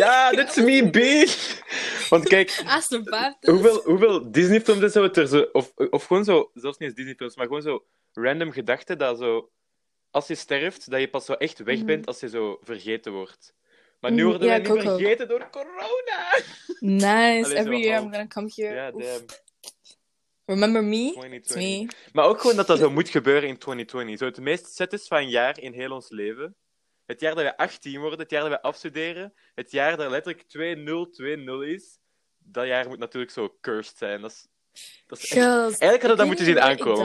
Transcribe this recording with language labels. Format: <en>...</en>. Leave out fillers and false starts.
<nl>Ja,</nl> <en>that's me, bitch!</en> <nl>Want kijk, hoeveel Disney-films zou het er zo... Of gewoon zo, zelfs niet eens Disney-films, maar gewoon zo random gedachten dat zo... Als je sterft, dat je pas zo echt weg bent als je zo vergeten wordt. Maar nu worden wij niet vergeten door corona!</nl> <en>Nice, allee, every year I'm gonna come here. Ja, damn. Remember me? 2020. Me.</en> <nl>Maar ook gewoon dat zo moet gebeuren in 2020. Zo het meest satisfying jaar in heel ons leven. Het jaar dat we 18 worden, het jaar dat we afstuderen. Het jaar dat letterlijk 2020 is. Dat jaar moet natuurlijk zo cursed zijn. Dat is echt... Eigenlijk hadden we dat moeten zien aankomen.</nl>